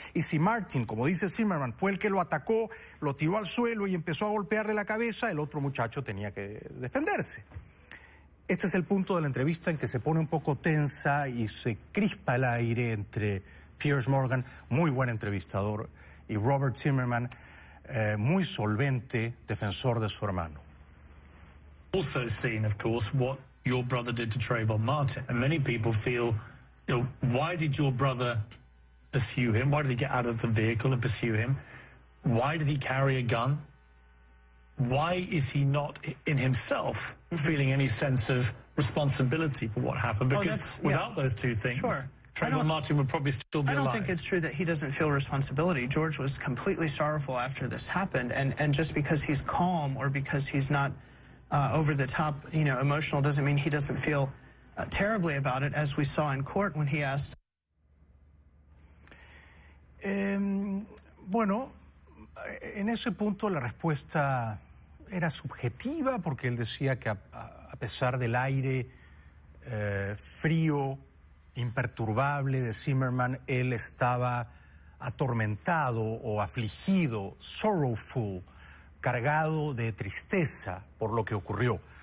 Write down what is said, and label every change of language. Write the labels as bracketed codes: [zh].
[es] Y si Martin, como dice Zimmerman, fue el que lo atacó, lo tiró al suelo y empezó a golpearle la cabeza, el otro muchacho tenía que defenderse. Este es el punto de la entrevista en que se pone un poco tensa y se crispa el aire entre Piers Morgan, muy buen entrevistador, y Robert Zimmerman, muy solvente defensor de su hermano. [en] Also seen, of course, what your brother did to Trayvon Martin. And many people feel, you know, why did your brother pursue him? Why did he get out of the vehicle and pursue him? Why did he carry a gun? Why is he not in himself feeling any sense of responsibility for what happened? Because without those two things, Trayvon Martin would probably still be alive. I don't think it's true that he doesn't feel responsibility. George was completely sorrowful after this happened. And just because he's calm or because he's not over the top, you know, emotional, doesn't mean he doesn't feel terribly about it, as we saw in court when he asked. [es] En ese punto la respuesta era subjetiva porque él decía que a pesar del aire frío, imperturbable de Zimmerman, él estaba atormentado o afligido, sorrowful, cargado de tristeza por lo que ocurrió.